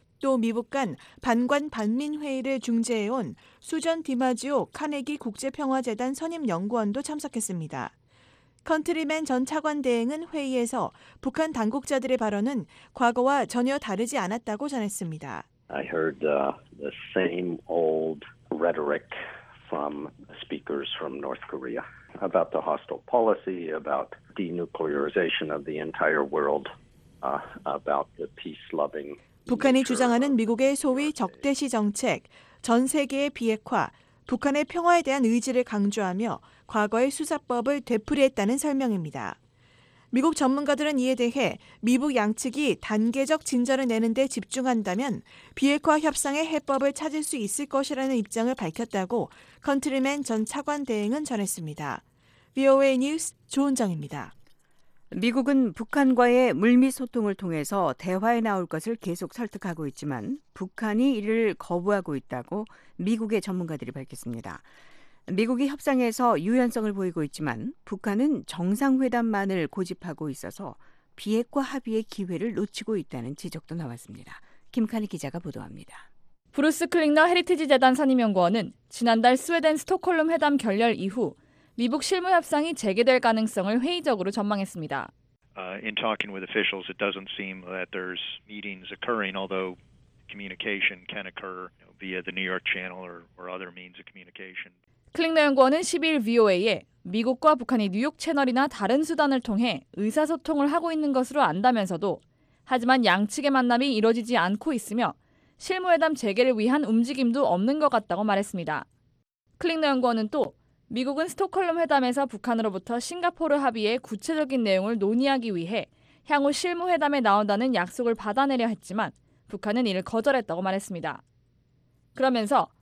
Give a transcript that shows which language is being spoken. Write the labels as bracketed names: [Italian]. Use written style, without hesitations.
[Korean] 또 미북 간 반관 반민 회의를 중재해온 수전 디마지오 카네기 국제평화재단 선임연구원도 참석했습니다. 컨트리맨 전 차관 대행은 회의에서 북한 당국자들의 발언은 과거와 전혀 다르지 않았다고 전했습니다. [English] I heard the same old rhetoric from speakers from North Korea about the hostile policy, about denuclearization of the entire world, about the peace-loving [Korean] 북한이 주장하는 미국의 소위 적대시 정책, 전 세계의 비핵화, 북한의 평화에 대한 의지를 강조하며 과거의 수사법을 되풀이했다는 설명입니다. 미국 전문가들은 이에 대해 미북 양측이 단계적 진전을 내는 데 집중한다면 비핵화 협상의 해법을 찾을 수 있을 것이라는 입장을 밝혔다고 컨트리맨 전 차관 대행은 전했습니다. VOA 뉴스 조은정입니다. 미국은 북한과의 물밑 소통을 통해서 대화에 나올 것을 계속 설득하고 있지만 북한이 이를 거부하고 있다고 미국의 전문가들이 밝혔습니다. 미국이 협상에서 유연성을 보이고 있지만 북한은 정상회담만을 고집하고 있어서 비핵화 합의의 기회를 놓치고 있다는 지적도 나왔습니다. 김카니 기자가 보도합니다. 브루스 클링너 헤리티지 재단 선임연구원은 지난달 스웨덴 스톡홀름 회담 결렬 이후 미북 실무 협상이 재개될 가능성을 회의적으로 전망했습니다. [English] In talking with officials, it doesn't seem that there's meetings occurring, although communication can occur via the New York Channel or other means of communication. [Korean] 클링너 연구원은 12일 VOA에 미국과 북한이 뉴욕 채널이나 다른 수단을 통해 의사소통을 하고 있는 것으로 안다면서도 하지만 양측의 만남이 이루어지지 않고 있으며 실무회담 재개를 위한 움직임도 없는 것 같다고 말했습니다. 클링너 연구원은 또 미국은 스톡홀름 회담에서 북한으로부터 싱가포르 합의의 구체적인 내용을 논의하기 위해 향후 실무회담에 나온다는 약속을 받아내려 했지만 북한은 이를 거절했다고 말했습니다. 그러면서